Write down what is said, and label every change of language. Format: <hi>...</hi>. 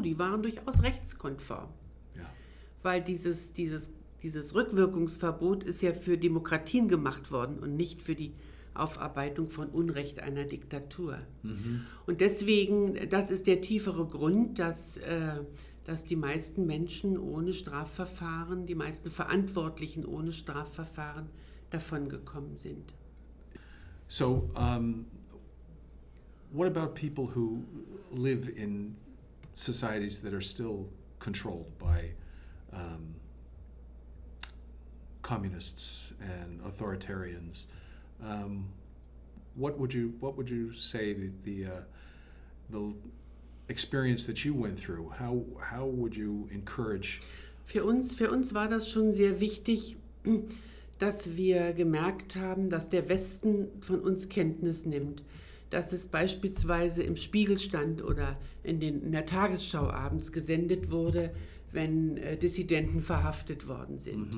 <de>Die waren durchaus rechtskonform. Weil dieses Rückwirkungsverbot ist ja für Demokratien gemacht worden und nicht für die Aufarbeitung von Unrecht einer Diktatur. Mhm. Und deswegen, das ist der tiefere Grund, dass die meisten Menschen ohne Strafverfahren, die meisten Verantwortlichen ohne Strafverfahren davongekommen sind.</de> <en>So, what about people who live in societies that are still controlled by communists and authoritarians? What would you say that the experience that you went through, how would you encourage?</en> <de>Für uns war das schon sehr wichtig, dass wir gemerkt haben, dass der Westen von uns Kenntnis nimmt, dass es beispielsweise im Spiegel stand oder in der Tagesschau abends gesendet wurde, wenn Dissidenten verhaftet worden sind.</de>